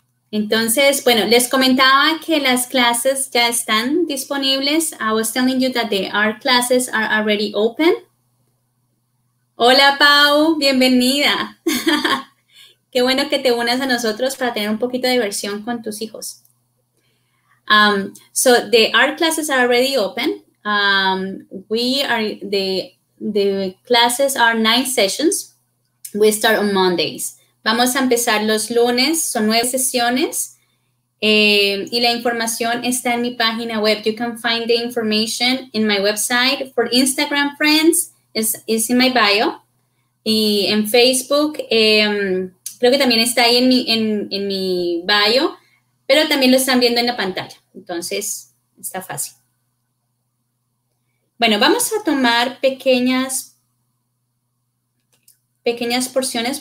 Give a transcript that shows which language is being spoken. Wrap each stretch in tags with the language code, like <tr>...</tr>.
<es>Entonces, bueno, les comentaba que las clases ya están disponibles.</es> <en>I was telling you that the art classes are already open.</en> <es>Hola, Pau. Bienvenida. Qué bueno que te unas a nosotros para tener un poquito de diversión con tus hijos.</es> <en>So the art classes are already open. The classes are 9 sessions. We start on Mondays.</en> <es>Vamos a empezar los lunes. Son 9 sesiones. Y la información está en mi página web.</es> <en>You can find the information in my website. For Instagram friends, it's in my bio.</en> <es>Y en Facebook, creo que también está ahí en mi bio. Pero también lo están viendo en la pantalla. Entonces, está fácil. Bueno, vamos a tomar pequeñas porciones.</es>